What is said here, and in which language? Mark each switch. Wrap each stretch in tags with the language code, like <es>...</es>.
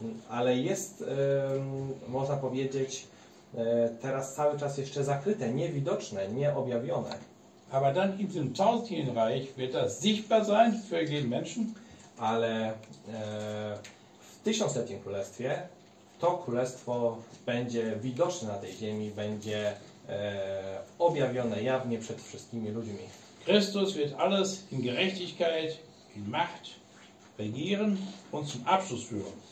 <pl>Ale jest, można powiedzieć, teraz cały czas jeszcze zakryte, niewidoczne, nieobjawione.</pl> <de>Aber dann in diesem tausendjährigen Reich wird das sichtbar sein für jeden Menschen.</de> <pl>Ale w tysiącletnim Królestwie to Królestwo będzie widoczne na tej ziemi, będzie objawione jawnie przed wszystkimi ludźmi.</pl> <de>Chrystus wird alles in Gerechtigkeit, in Macht regieren und zum Abschluss führen.</de>